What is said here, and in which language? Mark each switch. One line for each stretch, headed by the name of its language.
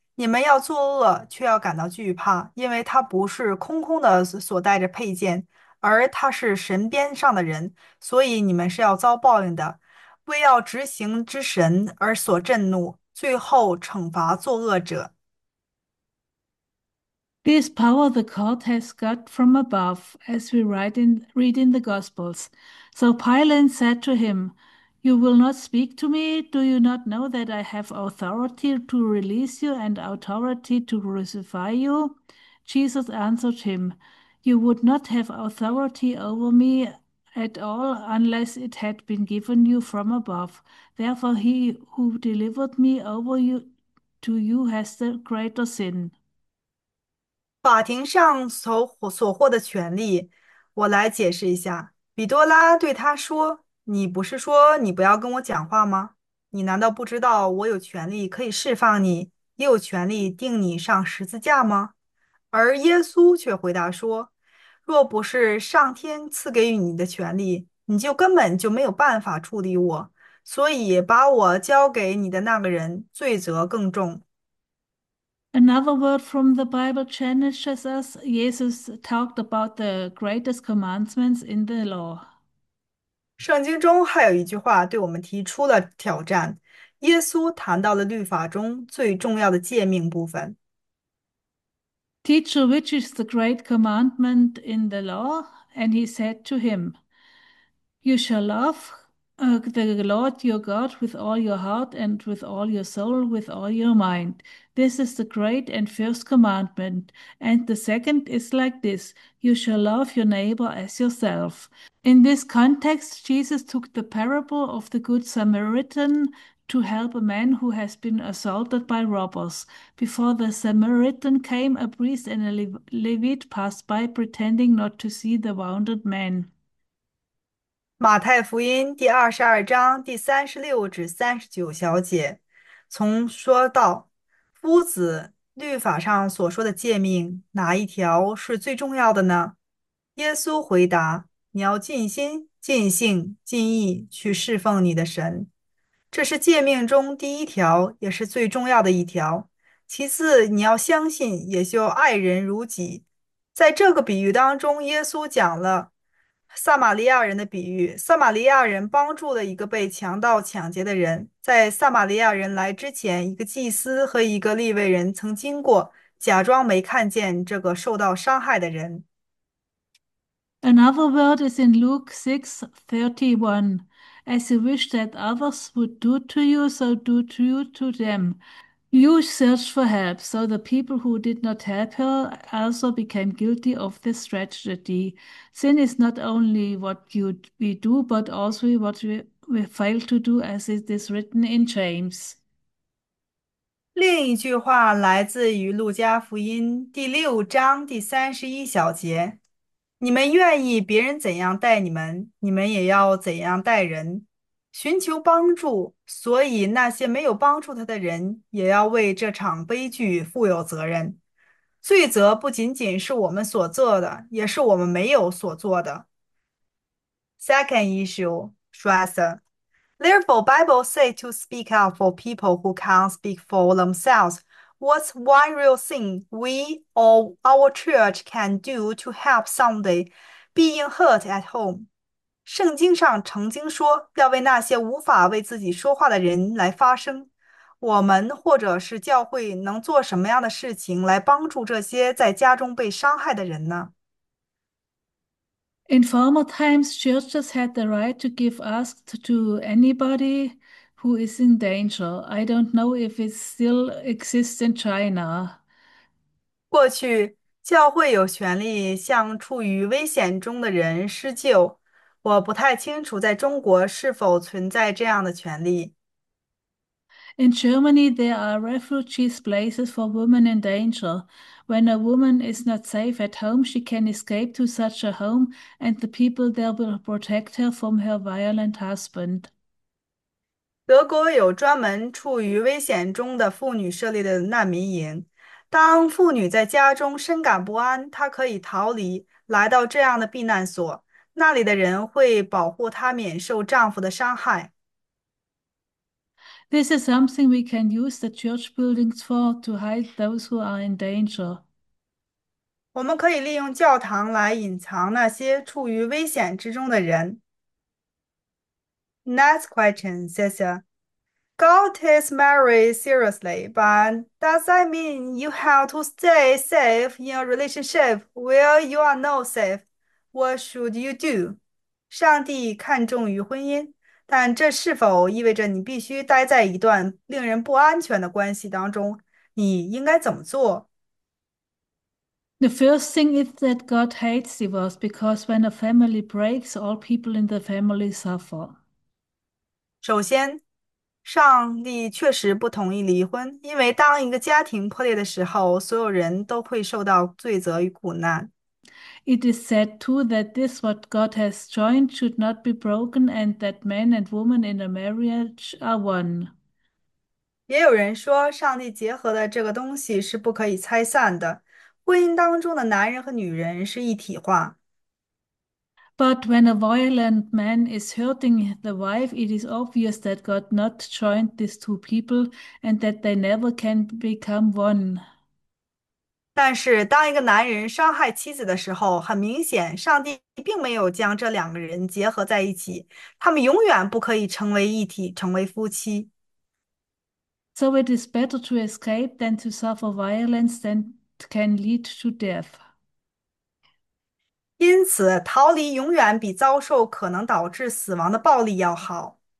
Chinese: 你们要作恶，却要感到惧怕，因为他不是空空的所带着佩剑，而他是神边上的人，所以你们是要遭报应的。为要执行之神而所震怒，最后惩罚作恶者。
English: This power the court has got from above, as we read in the Gospels. So Pilate said to him, "You will not speak to me? Do you not know that I have authority to release you and authority to crucify you?" Jesus answered him, "You would not have authority over me at all unless it had been given you from above. Therefore, he who delivered me over to you has the greater sin."
Chinese: 法庭上所获的权利，我来解释一下。比多拉对他说："你不是说你不要跟我讲话吗？你难道不知道我有权利可以释放你，也有权利钉你上十字架吗？" 而耶稣却回答说："若不是上天赐给予你的权利，你就根本就没有办法处理我。所以把我交给你的那个人，罪责更重。"
English: Another word from the Bible challenges us. Jesus talked about the greatest commandments in the law.
Chinese: 圣经中还有一句话对我们提出了挑战，耶稣谈到了律法中最重要的诫命部分。
English: Teacher, which is the great commandment in the law? And he said to him, "You shall love the Lord your God with all your heart and with all your soul, with all your mind. This is the great and first commandment. And the second is like this: you shall love your neighbor as yourself." In this context, Jesus took the parable of the Good Samaritan to help a man who has been assaulted by robbers. Before the Samaritan came, a priest and a Levite passed by, pretending not to see the wounded man.
Chinese: 马太福音第22章第36至39小节，从说到，夫子律法上所说的诫命，哪一条是最重要的呢？耶稣回答：“你要尽心、尽性、尽意去侍奉你的神，这是诫命中第一条，也是最重要的一条。其次，你要相信，也就爱人如己。在这个比喻当中，耶稣讲了撒玛利亚人的比喻。撒玛利亚人帮助了一个被强盗抢劫的人。在撒玛利亚人来之前，一个祭司和一个利未人曾经过，假装没看见这个受到伤害的人。
English: Another word is in Luke 6:31. As you wish that others would do to you, so do to you to them. You search for help, so the people who did not help her also became guilty of this tragedy. Sin is not only what we do, but also what we fail to do, as it is written in James.
Chinese: 另一句话来自于《路加福音》第六章第31小节：“你们愿意别人怎样待你们，你们也要怎样待人。寻求帮助，所以那些没有帮助他的人也要为这场悲剧负有责任。罪责不仅仅是我们所做的，也是我们没有所做的。
English: ”Second issue, stressor. Therefore, Bible say to speak up for people who can't speak for themselves. What's one real thing we or our church can do to help somebody being hurt at home?
Chinese: 圣经上曾经说，要为那些无法为自己说话的人来发声。我们或者是教会能做什么样的事情来帮助这些在家中被伤害的人呢？
English: In former times, churches had the right to give asked to anybody who is in danger. I don't know if it still exists in China.
Chinese: 过去，教会有权利向处于危险中的人施救。我不太清楚在中国是否存在这样的权利。
English: In Germany, there are refugee places for women in danger. When a woman is not safe at home, she can escape to such a home, and the people there will protect her from her violent husband.
Chinese: 德国有专门处于危险中的妇女设立的难民营。当妇女在家中深感不安，她可以逃离，来到这样的避难所，那里的人会保护她免受丈夫的伤害。
English: This is something we can use the church buildings for to hide those who are in danger.
Chinese: 我们可以利用教堂来隐藏那些处于危险之中的人。
English: Next question, Cecilia. God takes marriage seriously, but does that mean you have to stay safe in a relationship where you are not safe? What should you do?
Chinese: 上帝看重于婚姻，但这是否意味着你必须待在一段令人不安全的关系当中？你应该怎么做？
English: The first thing is that God hates divorce because when a family breaks, all people in the family suffer.
Chinese: 首先，上帝确实不同意离婚，因为当一个家庭破裂的时候，所有人都会受到罪责与苦难。
English: It is said too that this what God has joined should not be broken, and that man and woman in a marriage are one.
Chinese: 也有人说，上帝结合的这个东西是不可以拆散的，婚姻当中的男人和女人是一体化。
English: But when a violent man is hurting the wife, it is obvious that God not joined these two people and that they never can become one.
Chinese: 但是，当一个男人伤害妻子的时候，很明显，上帝并没有将这两个人结合在一起，他们永远不可以成为一体，成为夫妻。
English: So it is better to escape than to suffer violence that can lead to death.
Chinese: 因此，逃离永远比遭受可能导致死亡的暴力要好。